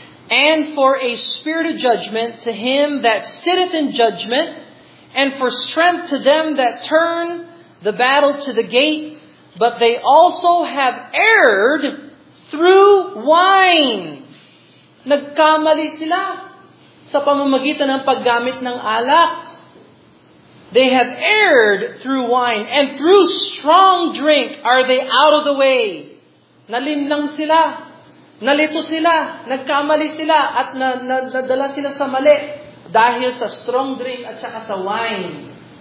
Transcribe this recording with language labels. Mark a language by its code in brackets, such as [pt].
[en] And for a spirit of judgment to him that sitteth in judgment, and for strength to them that turn the battle to the gate, but they also have erred through wine. [tl] Nagkamali sila sa pamamagitan ng paggamit ng alak. [en] They have erred through wine, and through strong drink are they out of the way. [tl] Nalimlang sila. Nalito sila. Nagkamali sila at nadala sila sa mali dahil sa [en] strong drink [tl] at saka sa wine.